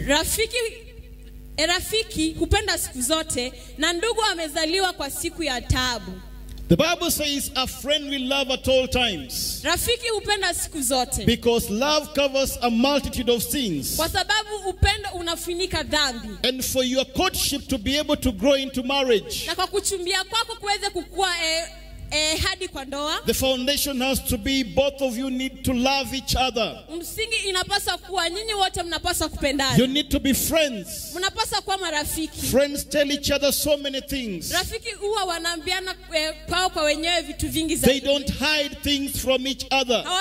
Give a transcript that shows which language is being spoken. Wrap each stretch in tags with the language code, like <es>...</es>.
<sw>Rafiki hupenda siku zote na ndugu amezaliwa kwa siku ya taabu.</sw> <en>The Bible says a friend will love at all times.</en> <sw>Rafiki hupenda siku zote.</sw> <en>Because love covers a multitude of sins.</en> <sw>Kwa sababu upendo unafunika dhambi.</sw> <en>And for your courtship to be able to grow into marriage,</en> <sw>na kwa kuchumbia kwako kuweze kukua hadi kwa ndoa,</sw> <en>the foundation has to be both of you need to love each other.</en> <sw>Msingi inapaswa kuwa nyinyi wote mnapaswa kupendana.</sw> <en>You need to be friends.</en> <sw>Mnapaswa kuwa marafiki.</sw> <en>Friends tell each other so many things.</en> <sw>Rafiki huwa wanaambiana kwao kwa wenyewe vitu vingi zaidi.</sw> <en>They don't hide things from each other.</en>